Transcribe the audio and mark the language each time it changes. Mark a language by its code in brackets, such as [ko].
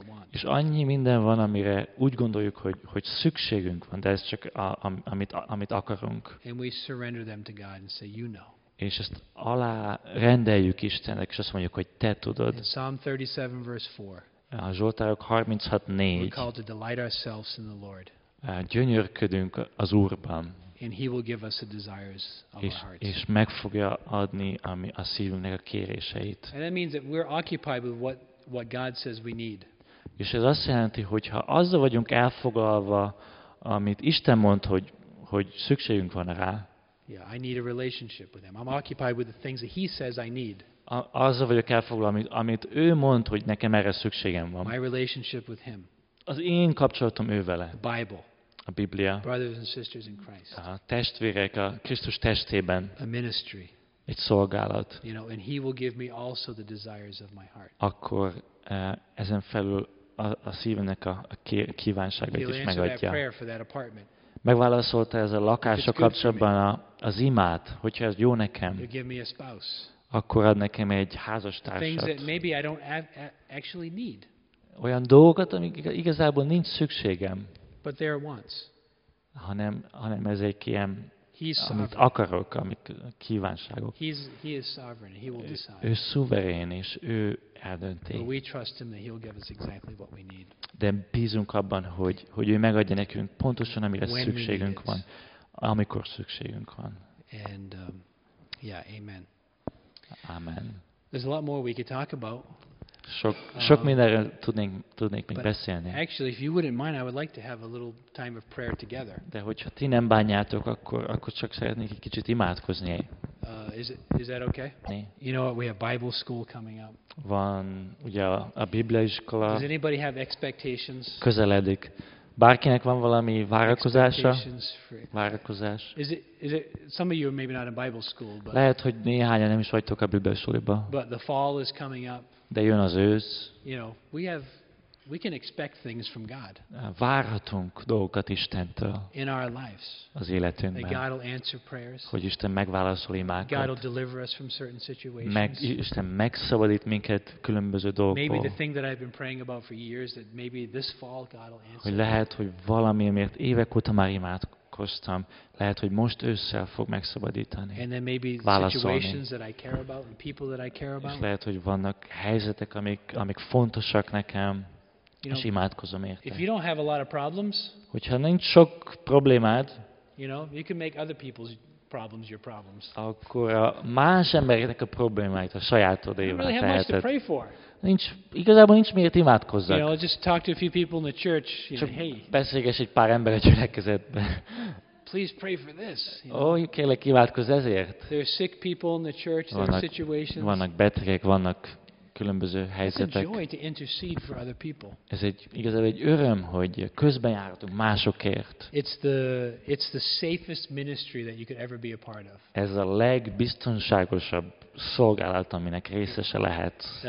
[hu] És annyi minden van, amire úgy gondoljuk, hogy szükségünk van, de ez csak amit akarunk. [en] And we surrender them to God and say, you know. [hu] És ezt alá rendeljük Istennek, és azt mondjuk, hogy te tudod. [en] Psalm 37, verse 4. [hu] A Zsoltárok 36:4. [en] We're called to delight ourselves in the Lord. [hu] Gyönyörködünk az Úrban. [en] And he will give us the desires of [hu] és, [en] our hearts. [hu] És meg fogja adni ami a szívünknek a kéréseit. [en] And that means that we're occupied with what God says we need. [hu] És ez azt jelenti, hogy ha azzal vagyunk elfoglalva, amit Isten mond, hogy szükségünk van rá. [en] Yeah, I need a relationship with him. I'm occupied with the things that he says I need. [hu] Azzal vagyok elfoglalva, amit ő mond, hogy nekem erre szükségem van. [en] My relationship with him. [hu] Az én kapcsolatom ő vele. [en] The Bible. [hu] A Biblia. [en] Brothers and sisters in Christ. [hu] A testvérek a Krisztus testében. [en] A ministry. [hu] Egy szolgálat. [en] You know, and he will give me also the desires of my heart. [hu] Akkor ezen felül a szívemnek a kívánságait is megadja. [en] That prayer for that apartment. [hu] Megválaszolta ezzel a lakással kapcsolatban az imát, hogyha ez jó nekem, [en] give me a spouse. [hu] Akkor ad nekem egy házastársat. [en] Things that maybe I don't actually need. [hu] Olyan dolgokat, amik igazából nincs szükségem. [en] But there are wants. [hu] Hanem ez egy ilyen, amit akarok, amit kívánságok. [en] He is sovereign, he will decide. [hu] Ő szuverén, és ő eldönti. [en] But we trust him that he'll give us exactly what we need. [hu] De bízunk abban, hogy ő megadja nekünk pontosan, amire [en] when [hu] szükségünk van. Amikor szükségünk van. [en] And amen. [hu] Amen. [en] There's a lot more we could talk about. [hu] Sok mindenre tudnék még beszélni. [en] Actually, if you wouldn't mind, I would like to have a little time of prayer together. [hu] De hogyha ti nem bánjátok, akkor csak szeretnék egy kicsit imádkozni. [en] Is that okay? [hu] Né? [en] You know what, we have Bible school coming up. [hu] Van ugye a Biblia iskola. [en] Does anybody have expectations? [hu] Közeledik. Bárkinek van valami várakozása? Várakozás. [en] Is it some of you are maybe not in Bible school, but [hu] lehet, hogy néhányan nem is vagytok a Biblia iskolában. [en] But the fall is coming up. [hu] De jön az ősz. [en] You know, we can expect things from God. [hu] Várhatunk dolgokat Istentől. [en] In our lives. [hu] Az életünkben. [en] That God will answer prayers. [hu] Hogy Isten megválaszol imákat. [en] God will deliver us from certain situations. [hu] Isten megszabadít minket különböző dolgokból. [en] Maybe the thing that I've been praying about for years that maybe this fall God will answer. [hu] Hogy lehet, hogy valami, amiért évek óta már imádkoztam, lehet, hogy most ősszel fog megszabadítani. [en] And then maybe situations that I care about and people that I care about. [hu] És lehet, hogy vannak helyzetek, amik fontosak nekem. És imádkozom érte. [en] If you don't have a lot of problems, [hu] hogyha nincs sok problémád, [en] you know, you can make other people's problems your problems. [hu] Akkor más embereknek a problémáit a sajátodévá teheted. [en] You don't really have much to pray for. [hu] Igazából nincs miért imádkozzak. [en] You know, just talk to a few people in the church. [hu] Beszélgess egy pár ember a gyülekezetben. [en] Please pray for this. You know? [hu] Kérlek, imádkozz ezért. [en] There are sick people in the church. There are situations. [hu] Vannak betegek, vannak különböző helyzetek. [en] It's a joy to intercede for other people. [hu] Ez igazából egy öröm, hogy közben járhatunk másokért. [en] It's the safest ministry that you could ever be a part of. [hu] Ez a legbiztonságosabb szolgálat, aminek részese lehet.